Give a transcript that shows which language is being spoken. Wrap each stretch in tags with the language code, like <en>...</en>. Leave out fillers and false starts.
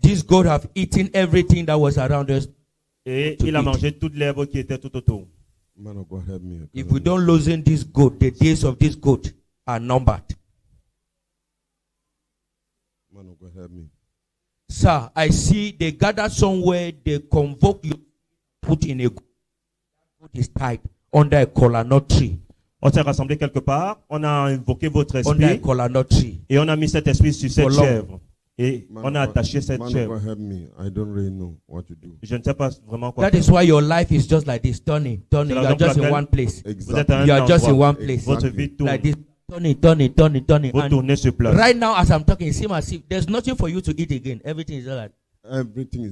<en>This goat have eaten everything that was around us.</en> <fr>Et il a mangé toute l'herbe qui était tout autour.</fr> <en>Man of God, help me. If we don't loosen this goat, the days of this goat are numbered. Man of God, help me. Sir, I see they gather somewhere, they convoke you, put in a goat is tied under a collar, not tree.</en> <fr>On s'est rassemblé quelque part, on a invoqué votre esprit,</fr> <en>under a collar, not tree.</en> <fr>Et on a mis cet esprit sur cette chèvre. Et on a attaché cette chèvre.</fr> <en>Help me. I don't really know what to do.</en> <fr>Je ne sais pas vraiment quoi faire.</fr> <en>That is why your life is just like this, turning. You are just in one place. Exactly. You are just in one place.</en> <fr>Votre vie tourne.</fr> <en>Like this, turning.</en> <fr>Vous tournez sur place.</fr> <en>Right now, as I'm talking, it seems as if there's nothing for you to eat again. Everything is like. Everything is.</en>